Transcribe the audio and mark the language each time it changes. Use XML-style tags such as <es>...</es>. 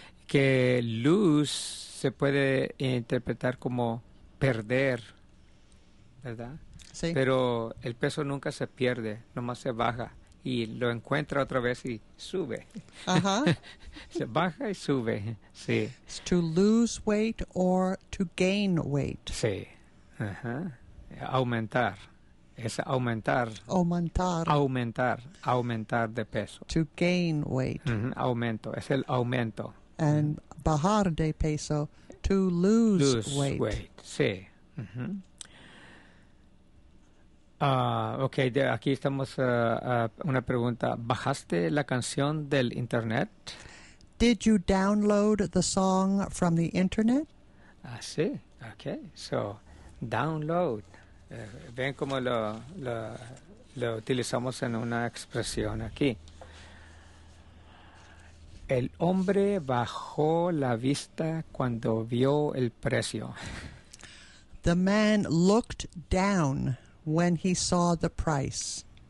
<es>que lose se puede interpretar como perder, ¿verdad? Sí. Pero el peso nunca se pierde, nomás se baja y lo encuentra otra vez y sube. Ajá. Se baja y sube, sí.</es> <en>It's to lose weight or to gain weight.</en> <es>Sí. Ajá. Aumentar. Es aumentar. Aumentar. Aumentar de peso.</es> <en>To gain weight.</en> <es>Uh-huh. Aumento. Es el aumento.</es> <en>And bajar de peso, to lose weight.</en> <es>Sí. Uh-huh. Okay, aquí estamos, una pregunta. ¿Bajaste la canción del internet?</es> <en>Did you download the song from the internet? Ah, sí. Okay. So, download.</en> <es>Ven cómo lo utilizamos en una expresión aquí. El hombre bajó la vista cuando vio el precio.</es> <en>The man looked down when he saw the price.</en>